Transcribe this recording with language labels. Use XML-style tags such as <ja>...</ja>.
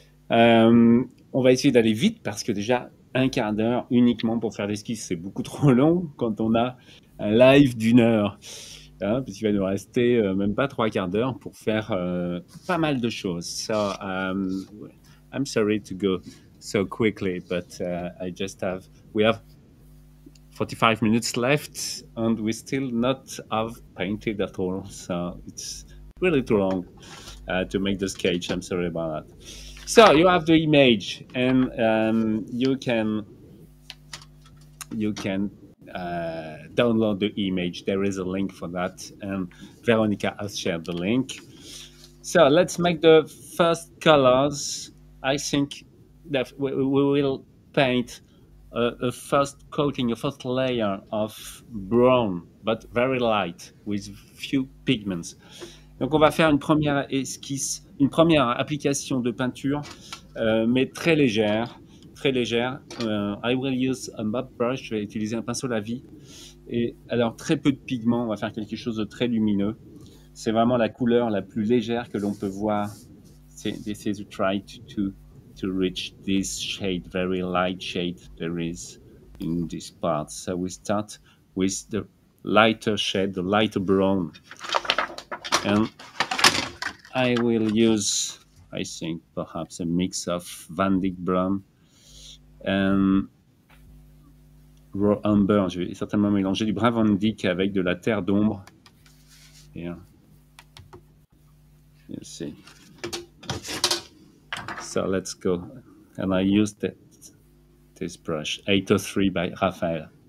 <fr>On va essayer d'aller vite parce que déjà... Un quart d'heure uniquement pour faire l'esquisse, c'est beaucoup trop long quand on a un live d'une heure. Hein, parce qu'il va nous rester même pas trois quarts d'heure pour faire pas mal de choses.</fr> <en>So, I'm sorry to go so quickly, but we have 45 minutes left and we still not have painted at all. So it's really too long to make the sketch. I'm sorry about that. So you have the image, and you can download the image. There is a link for that, and Veronica has shared the link. So let's make the first colors. I think that we will paint a first coating, a first layer of brown, but very light, with few pigments.</en> <fr>Donc on va faire une première esquisse, une première application de peinture, mais très légère, très légère.</fr> <en>I will use a mop brush,</en> <fr>je vais utiliser un pinceau lavis. Et alors très peu de pigments, on va faire quelque chose de très lumineux. C'est vraiment la couleur la plus légère que l'on peut voir.</fr> <en>This is try to reach this shade, very light shade there is in this part. So we start with the lighter shade, the lighter brown. And I will use, I think, perhaps a mix of Van Dyck brown and raw amber.</en> <fr>Je vais certainement mélanger du brun Van Dyck avec de la terre d'ombre.</fr> <en>Yeah. You'll see. So let's go. And I use this brush, 803 by Raphael.</en>